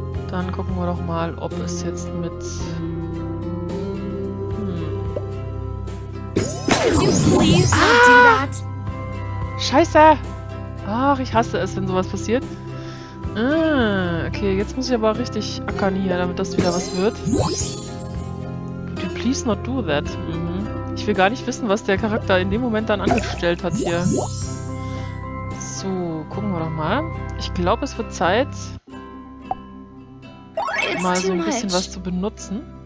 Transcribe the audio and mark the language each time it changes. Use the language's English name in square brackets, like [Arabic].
[German] Dann gucken wir doch mal, ob es jetzt mit... Ah! Scheiße! Ach, ich hasse es, wenn sowas passiert. Okay, jetzt muss ich aber richtig ackern hier, damit das wieder was wird. [English] Could you please not do that? [German] Ich will gar nicht wissen, was der Charakter in dem Moment dann angestellt hat hier. So, gucken wir doch mal. Ich glaube, es wird Zeit... mal so ein bisschen was zu benutzen.